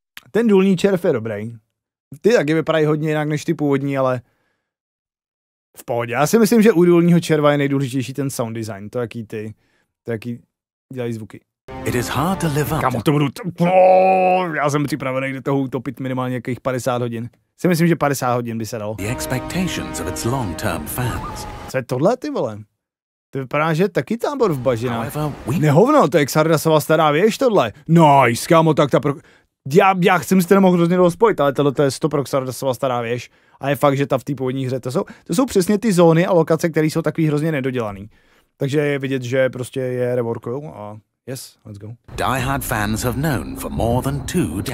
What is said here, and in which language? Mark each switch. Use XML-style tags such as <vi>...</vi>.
<cs>Ten důlní červ je dobrý, Ty taky vypadají hodně jinak než ty původní, ale v pohodě. Já si myslím, že u důlního červa je nejdůležitější ten sound design, to jaký ty, to jaký dělají zvuky.</cs> <en>It is hard to live up.</en> <cs>Kámo, to budu, já jsem připravený do toho utopit minimálně nějakých 50 hodin. Si myslím, že 50 hodin by se dalo.</cs> <en>The expectations of its long-term fans.</en> <cs>Co je tohle, ty vole? To vypadá, že taky tábor v bažinách. Nehovno, to je Xardasova stará věž tohle. Nice, kámo, tak ta pro... Já chci, myslím, že nemohu hrozně dlouho spojit, ale tohle to je 100 pro Xardasova stará věž. A je fakt, že ta v té původní hře, to jsou přesně ty zóny a lokace, které jsou takový hrozně nedodělaný. Takže je vidět, že prostě je reworkují a...</cs> <en>Yes, let's go. Die Hard fans have known for more than two decades.</en>